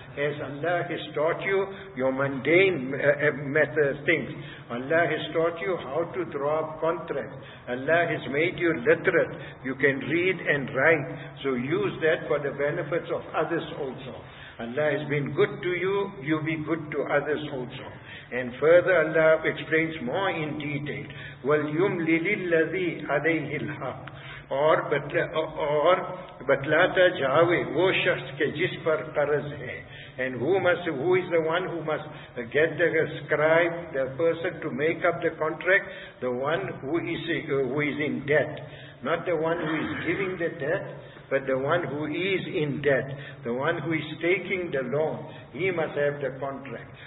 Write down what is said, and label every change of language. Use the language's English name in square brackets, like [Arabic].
[English] As Allah has taught you your mundane method things, Allah has taught you how to draw up contracts, Allah has made you literate, you can read and write, so use that for the benefits of others also. Allah has been good to you, you be good to others also. And further Allah explains more in detail. [Arabic] وَالْيُمْلِ لِلَّذِي عَلَيْهِ الْحَقِّ [Urdu] اور بتلاتا جاوے وہ شخص کے جس پر قرض ہے. [English] And who is the one who must get the scribe, the person to make up the contract? The one who is in debt. Not the one who is giving the debt, but the one who is in debt. The one who is taking the loan, he must have the contract.